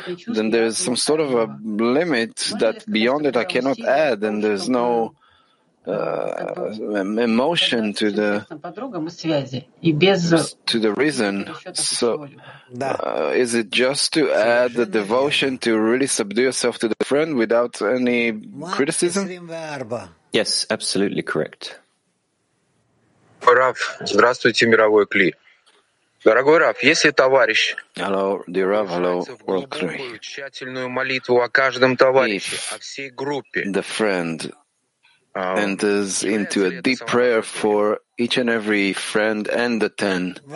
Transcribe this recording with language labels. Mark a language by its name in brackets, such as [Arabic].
[English] Then there's some sort of a limit that beyond it I cannot add, and there's no emotion to the reason. So is it just to add the devotion to really subdue yourself to the friend without any criticism? Yes, absolutely correct. [Russian] Rav, здравствуйте, мировой кли. Дорогой Рав, если товарищ. [English] Hello, dear Rav, hello, world three. [Russian] Тщательную молитву о каждом товарище, о всей группе. [English] The friend enters into a deep prayer for each and every friend and the ten.